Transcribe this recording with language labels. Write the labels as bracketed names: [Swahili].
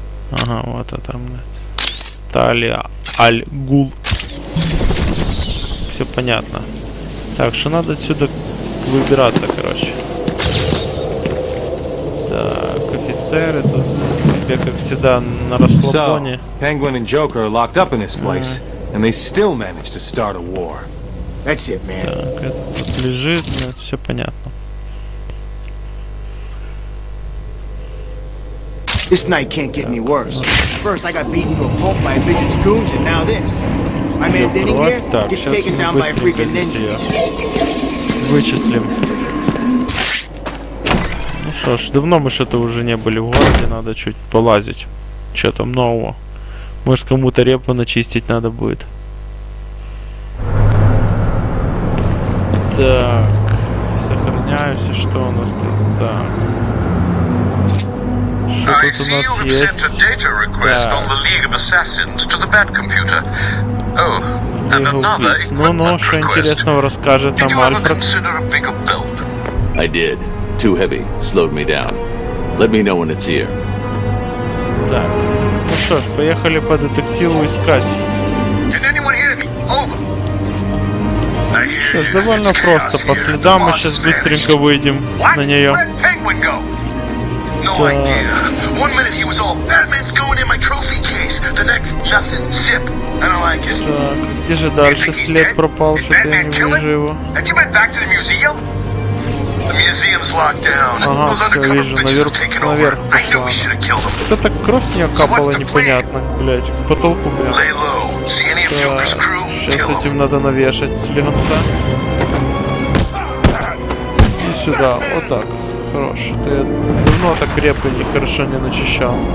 [Russian] Ага, вот это там, блядь. Талия Аль-Гул. Все понятно. Так, что надо отсюда выбираться, короче. Так, офицеры тут. Тебе, как всегда, на расслабоне. [English] So, Penguin and Joker are locked up in this place. And they still managed to start a war. That's it, man. [Russian] Так, тут лежит, ну, все понятно. [English] This night can't get any worse. First I got beaten to a pulp by a midget's goons, and now this. My man Denny here gets taken down by a freaking ninja. [Russian] Вычислим. Ну что ж, давно мы что-то уже не были в городе, надо чуть полазить. Что там нового? Может, кому-то репу начистить надо будет. Так, сохраняюсь, что у нас тут? Так. [English] I see you have sent a data request on the League of Assassins to the Bat Computer. Oh, and another equipment request. Did you ever consider a bigger belt? I did. Too heavy. Slowed me down. Let me know when it's here. [Russian] Так. Ну что ж, поехали по детективу искать. [English] Can anyone hear me? Over. [Russian] Сейчас довольно просто. По следам мы сейчас быстренько выйдем на нее. [English] No idea. One minute he was all Batman's going in my trophy case. The next nothing zip. I don't like it. [Russian] Так, где же дальше след пропал, что-то я не вижу его. [English] Have you been back to the museum? The museum's locked down. [Russian] Ага, все вижу, наверх, наверх. [English] I knew we should have killed him. [Russian] Что-то кровь с нее капала, непонятно, блять. Потолку, блядь. [English] Lay low. See any of Joker's crew? [Russian] Сейчас этим надо навешать слегонца. Иди сюда, вот так. Хорош, это я давно так репы не хорошо не начищал.